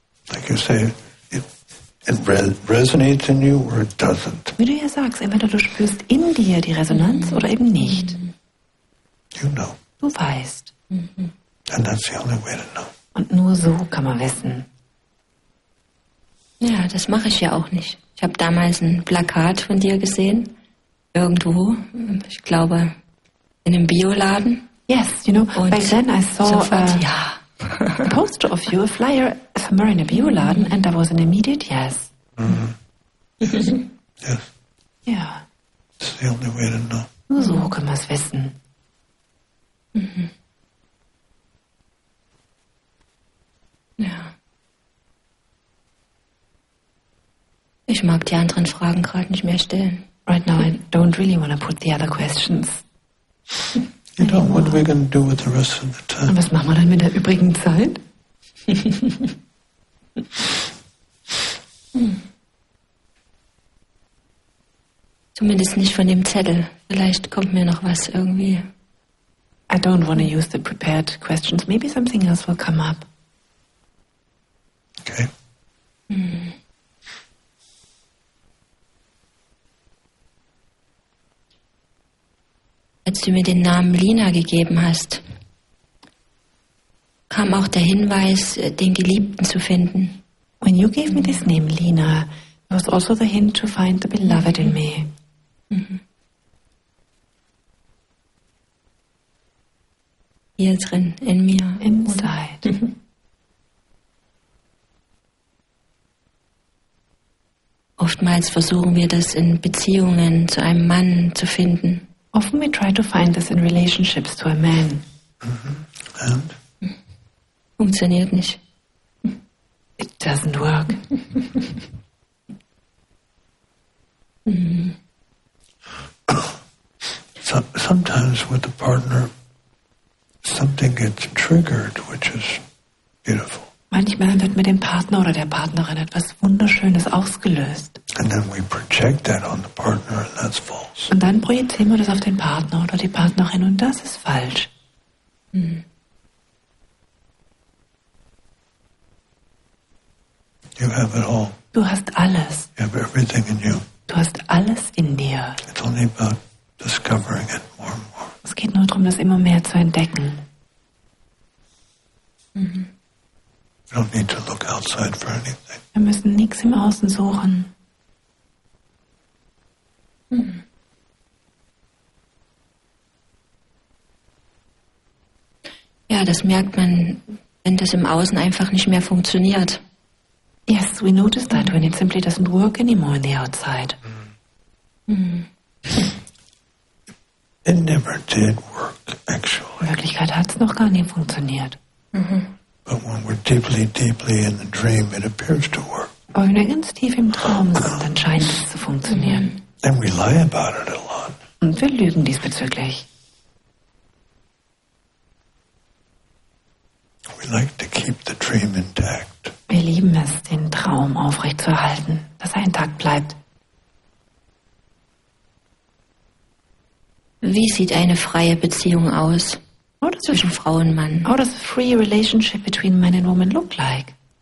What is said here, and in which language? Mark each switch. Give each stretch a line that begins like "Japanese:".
English: Like you say, it resonates in you or it doesn't.
German: Wie du ja sagst, entweder du spürst in dir die Resonanz oder eben nicht.
English: You know.
German: Du weißt.
English: And that's the only way to know.
German: Und nur so kann man wissen. Ja, das mache ich ja auch nicht. Ich habe damals ein Plakat von dir gesehen. Irgendwo. Ich glaube, in einem Bioladen.
English: Yes, you know.
German: Und
English: back then I saw
German: sofort.
English: A poster of you, a flyer somewhere in a bio laden, and there was an immediate yes. Mm-hmm. Yes. Yeah. It's the only way to know.
German: Nur so kann man es wissen. Ja. Ich mag die anderen Fragen gerade nicht mehr stellen.
English: Right now I don't really want to put the other questions. You know, what are we going to do with the rest of the time?
German: Und was machen wir dann mit der übrigen Zeit? Hm. Zumindest nicht von dem Zettel. Vielleicht kommt mir noch was irgendwie.
English: I don't want to use the prepared questions. Maybe something else will come up. Okay. Hmm.
German: Als du mir den Namen Lina gegeben hast, kam auch der Hinweis, den Geliebten zu finden.
English: When you gave me this name, Lina, there was also the hint to find the beloved in me. Mm-hmm.
German: Hier drin, in mir.
English: Inside.
German: Oftmals versuchen wir das in Beziehungen zu einem Mann zu finden.
English: Often we try to find this in relationships to a man. Mm-hmm. And?
German: Funktioniert nicht.
English: It doesn't work. Sometimes with a partner, something gets triggered, which is beautiful.
German: Manchmal wird mit dem Partner oder der Partnerin etwas Wunderschönes ausgelöst.
English: And then we project that on the partner, and that's false.
German: Und dann projizieren wir das auf den Partner oder die Partnerin, und das ist falsch.
English: You have it all.
German: Du hast alles.
English: You have everything in you.
German: Du hast alles in dir.
English: It's only about discovering it more and more.
German: Es geht nur darum, das immer mehr zu entdecken.
English: You don't need to look outside for anything.
German: Wir müssen nichts im Außen suchen. Ja, das merkt man, wenn das im Außen einfach nicht mehr funktioniert.
English: Yes, we notice that when it simply doesn't work anymore on the outside. It never did work, actually.
German: In Wirklichkeit hat es noch gar nie funktioniert.
English: But when we're deeply, deeply in the dream, it appears to work.
German: Aber wenn wir ganz tief im Traum sind, dann scheint es zu funktionieren.
English: And we lie about it a lot.
German: Und wir lügen diesbezüglich.
English: We like to keep the dream intact.
German: Wir lieben es, den Traum aufrechtzuerhalten, dass er intakt bleibt. Wie sieht eine freie Beziehung aus zwischen Frau und Mann?
English: How does a free relationship between man and woman look like?